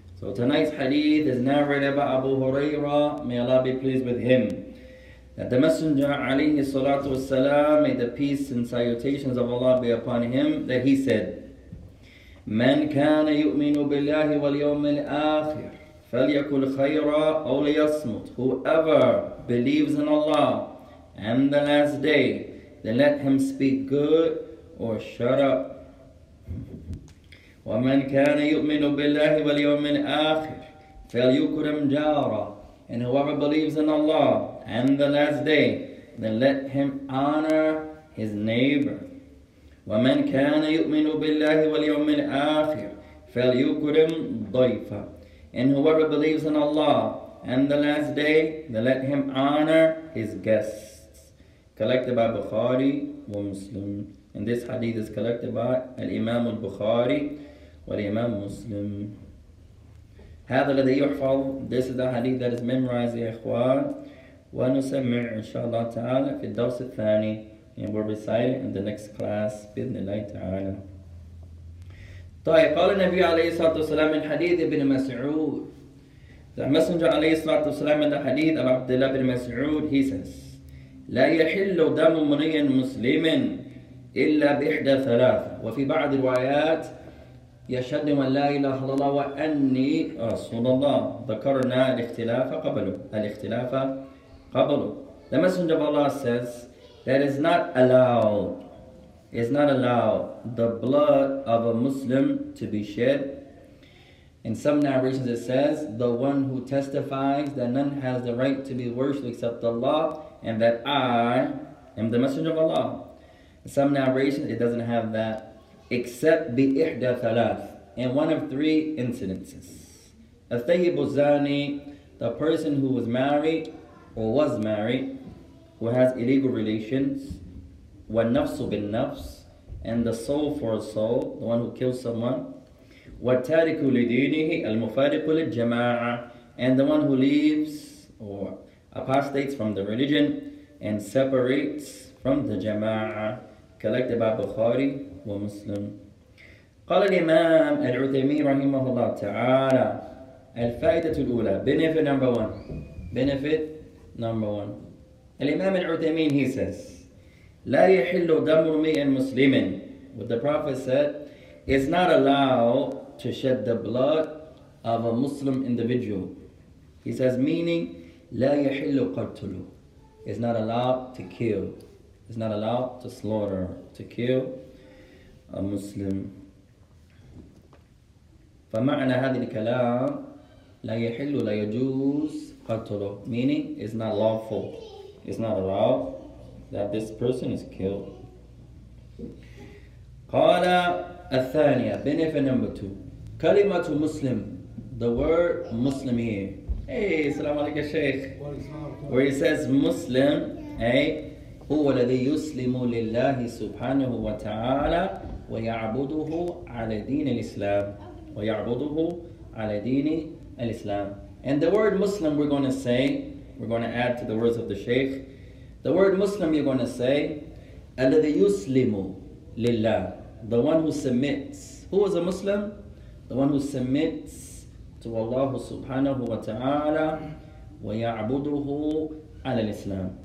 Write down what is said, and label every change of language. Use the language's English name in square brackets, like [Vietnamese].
[English] So tonight's hadith is narrated by Abu Huraira, may Allah be pleased with him, that the Messenger alayhi salatu wasalam, may the peace and salutations of Allah be upon him, that he said, [Arabic] من كان يؤمن بالله واليوم الآخر فليكن خيرا أو ليصمت. [English] Whoever believes in Allah and the last day, then let him speak good or shut up. [Arabic] ومن كان يؤمن بالله واليوم الآخر فليكرم جاره. [English] And whoever believes in Allah and the last day, then let him honor his neighbor. [Arabic] ومن كان يؤمن بالله واليوم الآخر فليكرم ضيفا. [English] And whoever believes in Allah and the last day, then let him honor his guests. Collected by Bukhari and Muslim. And this hadith is collected by Imam al-Bukhari and Imam Muslim. [Arabic] هذا الذي يحفظ. [English] This is the hadith that is memorized, [Arabic] يا إخوان. ونسمع إن شاء الله تعالى في الدرس الثاني. [English] And we'll recite it in the next class, [Arabic] بإذن الله تعالى. طيب قال النبي عليه الصلاة والسلام من حديث ابن مسعود [English] The Messenger [Arabic] عليه الصلاة والسلام [English] in the hadith of Abdullah ibn Mas'ud, he says, [Arabic] لا يحل دم امرئ مسلم إلا بإحدى ثلاثة وفي بعض الروايات يشهد من لا إله إلا الله وأني رسول الله ذكرنا الاختلاف قبله [English] الاختلاف قبله The Messenger of Allah says that is not allowed the blood of a Muslim to be shed. In some narrations it says, the one who testifies that none has the right to be worshipped except Allah and that I am the Messenger of Allah. In some narrations it doesn't have that, except [Arabic] bi ihda thalath, [English] in one of three incidences. [Arabic] Athayyibu zani, [English] the person who was married or was married, who has illegal relations, [Arabic] wa nafsu bin nafs, [English] and the soul for a soul, the one who kills someone, [Arabic] وَالْتَارِكُ لِدِينِهِ الْمُفَارِقُ لِلْجَمَاعَةِ [English] And the one who leaves or apostates from the religion and separates from the jama'ah, collected by Bukhari wa Muslim. [Arabic] قال الإمام العثيمين رحمه الله تعالى الفائدة الأولى [English] Benefit number one. Benefit number one. الإمام العثيمين he says [Arabic] لا يحل دم امرئ مسلم [English] What the Prophet said It's not allowed to shed the blood of a Muslim individual. He says, meaning, [Arabic] لا يحل قتله. [English] It's not allowed to kill. It's not allowed to slaughter, to kill a Muslim. [Arabic] فمعنى هذا الكلام, لا يحل لا يجوز قتله. [English] Meaning, it's not lawful. It's not allowed that this person is killed. [Arabic] قال الثانية, [English] benefit number two. [Arabic] كلمة مسلم, [English] the word Muslim here. Hey, [Arabic] السلام عليكم شيخ. [English] Where he says Muslim, hey, [Arabic] هو الذي يسلم لله سبحانه وتعالى ويعبده على دين الإسلام ويعبده على دين الإسلام. [English] And the word Muslim, we're going to say, we're going to add to the words of the Sheikh. The word Muslim, you're going to say, [Arabic] الذي يسلم لله, [English] the one who submits. Who is a Muslim? The one who submits to Allah subhanahu wa ta'ala [Arabic] wa ya'buduhu ala al-Islam.